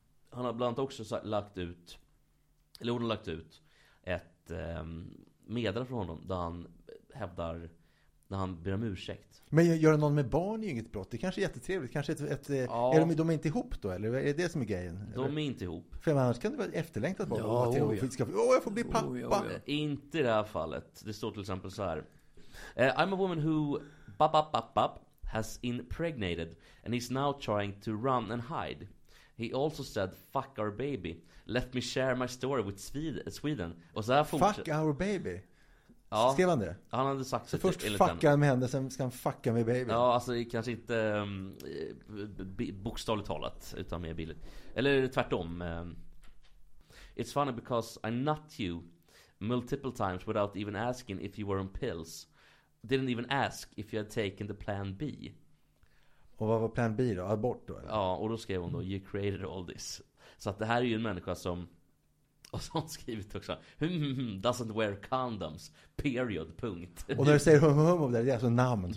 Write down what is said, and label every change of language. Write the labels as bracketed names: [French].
[Swedish] Han har bland annat också lagt ut, eller hon har lagt ut ett meddelande från honom där han hävdar, när han ber om ursäkt. Men gör någon med barn är ju inget brott. Det kanske är jättetrevligt. Kanske är de inte ihop då? Eller är det det som är grejen? De eller? Är inte ihop. För annars kan det vara efterlängtat barn. Jag får bli pappa. Inte i det här fallet. Det står till exempel så här. [English] I'm a woman who bap, has impregnated and he's now trying to run and hide. He also said fuck our baby. Let me share my story with Sweden. [Swedish] Och så här fortsätter. [English] Fuck our baby. [Swedish] Ja, skrev han det? Han hade sagt så det. Först fuckar med henne, sen ska han fucka med baby. Ja, alltså kanske inte bokstavligt talat, utan mer billigt. Eller tvärtom. [English] It's funny because I nut you multiple times without even asking if you were on pills. Didn't even ask if you had taken the plan B. [Swedish] Och vad var plan B då? Abort då? Eller? Ja, och då skrev hon då, [English] you created all this. [Swedish] Så att det här är ju en människa som... Och så har hon skrivit också, [English] doesn't wear condoms, period, [Swedish] punkt. Och när du säger hum om det, det är alltså namnet.